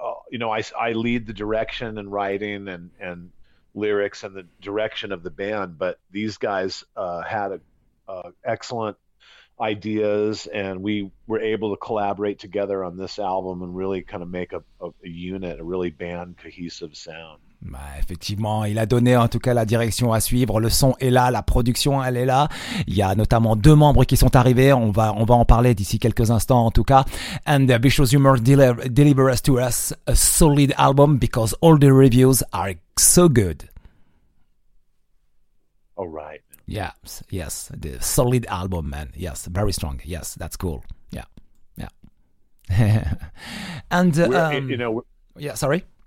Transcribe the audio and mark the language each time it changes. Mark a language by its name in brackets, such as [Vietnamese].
[English] you know, I lead the direction and writing and lyrics and the direction of the band, but these guys had a excellent ideas, and we were able to collaborate together on this album and really kind of make a unit, a really band cohesive sound. [French] Bah, effectivement, il a donné en tout cas la direction à suivre. Le son est là, la production elle est là. Il y a notamment deux membres qui sont arrivés. On va en parler d'ici quelques instants en tout cas. [English] And the Vicious Humor delivers to us a solid album because all the reviews are so good. All right. Yeah, yes, the solid album, man. Yes, very strong. Yes, that's cool. Yeah, yeah. And sorry.